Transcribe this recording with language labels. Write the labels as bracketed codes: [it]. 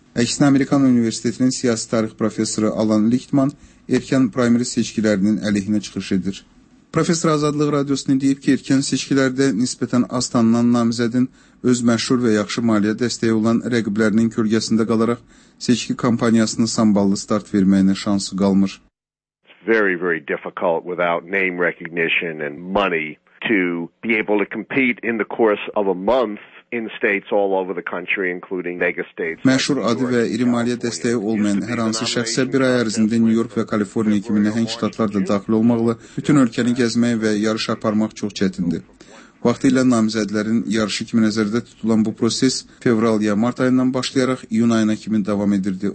[az] Əksinə, Amerikan Universitetinin siyasi tarix professoru Alan Lichtman erkən primary seçkilərinin əleyhinə çıxış edir. Professor Azadlıq Radiosunu deyib ki, erkən seçkilərdə nisbətən az tanınan namizədin öz məşhur və yaxşı maliyyə dəstəyi olan rəqiblərinin kölgəsində qalaraq seçki kampaniyasını samballı start verməyinə şansı qalmır. [en] Very, very difficult without name recognition and money to be able to compete in the course of a month. In states all over the country, including mega states. [az] Məşhur adı və iri maliyyə dəstəyi olmayan hər hansı şəxsə bir ay ərzində New York və Kaliforniya kimi nəhəng ştatlar da daxil olmaqla bütün ölkəni gəzmək və yarış aparmaq çox çətindir. Vaxtı ilə namizədlərin yarışı kimi nəzərdə tutulan bu proses fevral ya mart ayından başlayaraq iyun ayına kimi davam edirdi.